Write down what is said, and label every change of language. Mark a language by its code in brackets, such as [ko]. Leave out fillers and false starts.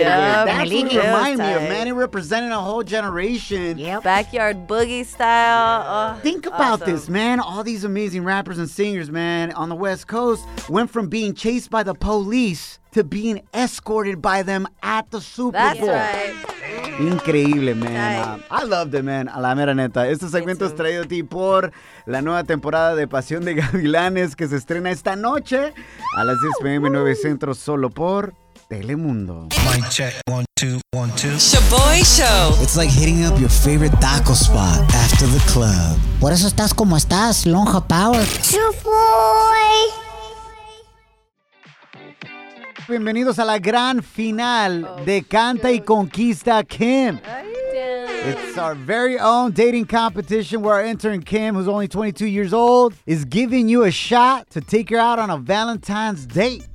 [en] That's what it reminded me of, man. It represented a whole generation. Yep. Backyard boogie style. Think about this, man. All these amazing rappers and singers, man, on the West Coast went from being chased by the police to being escorted by them at the Super That's Bowl. That's right. [es] Increíble, [en] man. I loved it, man. [es] A la mera neta. Este segmento es traído a ti por la nueva temporada de Pasión de Gavilanes que se estrena esta noche a las 10 p.m. 9 Centro solo por Telemundo. [en] Mic check. 1, 2, 1, 2. Shaboy Show. It's like hitting up your favorite taco spot after the club. [es] Por eso estás como estás, Lonja Power. [en] Shaboy. [es] Bienvenidos a la gran final de Canta y Conquista Kim. [en] It's our very own dating competition where our intern Kim, who's only 22 years old, is giving you a shot to take her out on a Valentine's date.